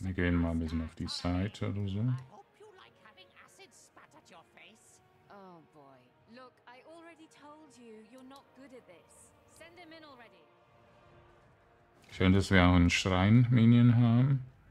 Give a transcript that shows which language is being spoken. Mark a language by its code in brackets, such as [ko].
[de] Wir gehen mal ein bisschen auf die Seite oder so. [en] I hope you like having acid spat at your face. Oh boy. Look, I already told you, you're not good at this. Send him in already. [de] Schön, dass wir auch einen Schrein-Minion haben.